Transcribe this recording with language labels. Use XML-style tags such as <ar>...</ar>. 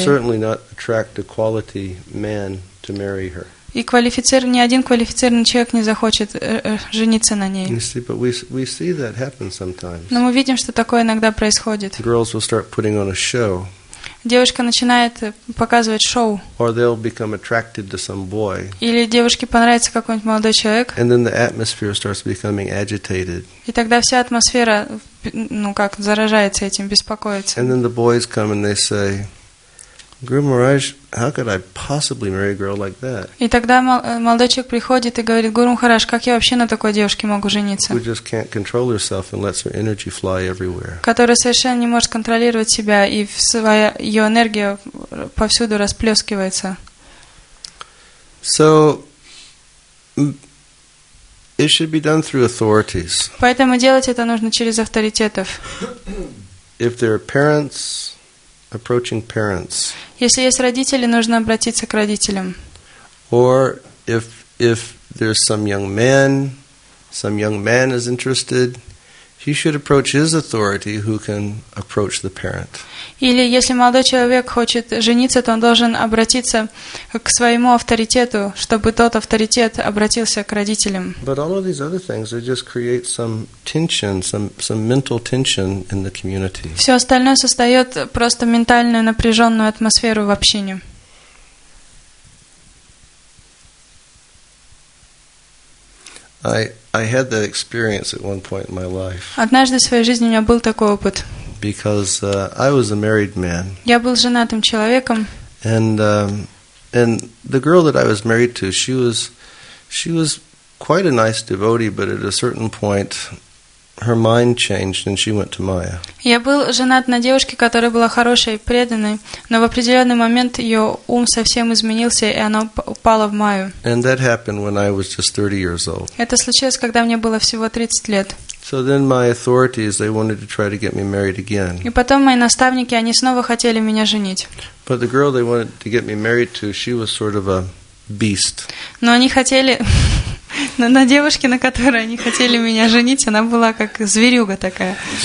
<en>Will certainly not attract a quality man to marry her.</en> <ru>И ни один квалифицированный человек не захочет жениться на ней.</ru> <en>You see, but we see that happen sometimes.</en> <ru>Но мы видим, что такое иногда происходит.</ru> <en>Girls will start putting on a show.</en> <ru>Девушка начинает показывать шоу.</ru> <en>Or they'll become attracted to some boy.</en> <ru>Или девушке понравится какой-нибудь молодой человек.</ru> <en>And then the atmosphere starts becoming agitated.</en> <ru>И тогда вся атмосфера, ну как, заражается этим, беспокоится.</ru> <en>And then the boys come and they say, "Guru Maharaj, how could I possibly marry a girl like that?"</en> <ru>И тогда молодой человек приходит и говорит: "Гуру Махарадж, как я вообще на такой девушке могу жениться?"</ru> <en>Who just can't control herself and lets her energy fly everywhere.</en> <ru>Которая совершенно не может контролировать себя и своя ее энергия повсюду расплескивается.</ru> <en>So it should be done through authorities.</en> <ru>Поэтому делать это нужно через авторитетов.</ru> <en>If there are parents. Approaching parents.</en> <ru>Если есть родители, нужно обратиться к родителям.</ru> <en>Or if there's some young man is interested, he should approach his authority, who can approach the parent.</en> <ru>Или если молодой человек хочет жениться, то он должен обратиться к своему авторитету, чтобы тот авторитет обратился к родителям.</ru> <en>But all of these other things, they just create some tension, some mental tension in the community.</en> <ru>Все остальное создает просто ментальную напряженную атмосферу в общине.</ru> <en>I had that experience at one point in my life.</en> <ru>Однажды в своей жизни у меня был такой опыт.</ru> <en>Because I was a married man.</en> <ru>Я был женатым человеком.</ru> <en>And the girl that I was married to, she was quite a nice devotee, but at a certain point her mind changed and she went to Maya.</en> <ru>Я был женат на девушке, которая была хорошей, преданной, но в определенный момент ее ум совсем изменился, и она упала в Майю.</ru> <en>And that happened when I was just 30 years old.</en> <ru>Это случилось, когда мне было всего 30 лет.</ru> <en>So then my authorities, they wanted to try to get me married again.</en> <ru>И потом мои наставники, они снова хотели меня женить.</ru> <en>But the girl they wanted to get me married to, she was sort of a beast.</en> <ru>Но они хотели... На девушке, на которой они хотели меня женить, она была как зверюга такая.</ru>